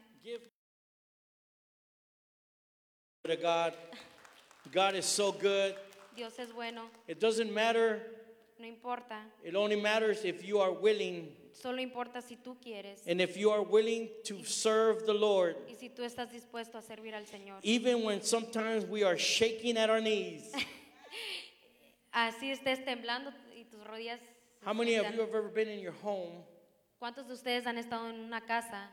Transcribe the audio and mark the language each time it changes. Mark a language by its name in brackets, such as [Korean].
[English] Give glory to God. God is so good. [Spanish] Dios es bueno. [English] It doesn't matter. [Spanish] No importa. [English] It only matters if you are willing. [Spanish] Solo importa si tú quieres. [English] And if you are willing to serve the Lord, [Spanish] y si tú estás dispuesto a servir al Señor, [English] even when sometimes we are shaking at our knees. [Spanish] Así estés temblando y tus rodillas. [English] How many of you have ever been in your home? [Spanish] ¿Cuántos de ustedes han estado en una casa?